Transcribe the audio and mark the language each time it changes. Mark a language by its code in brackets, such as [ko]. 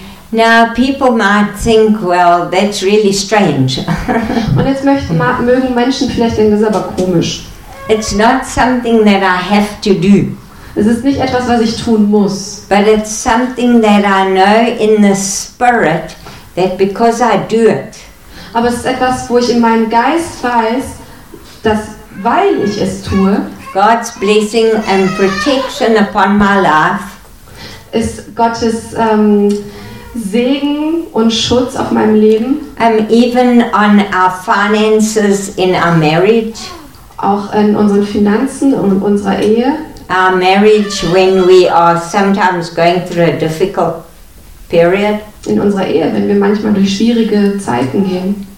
[en] Now people might think, well, that's really strange. [de] Und jetzt mögen Menschen vielleicht denken, das ist aber komisch. [en] It's not something that I have to do. [de] Es ist nicht etwas, was ich tun muss. [en] But it's something that I know in the spirit that because I do it. [de] Aber es ist etwas, wo ich in meinem Geist weiß, dass weil ich es tue, [en] God's blessing and protection upon my life [de] ist Gottes Segen und Schutz auf meinem Leben. [en] Even on our finances in our marriage. [de] Auch in unseren Finanzen und unserer Ehe. [en] Our marriage when we are sometimes going through a difficult period. [de] In unserer Ehe, wenn wir manchmal durch schwierige Zeiten gehen.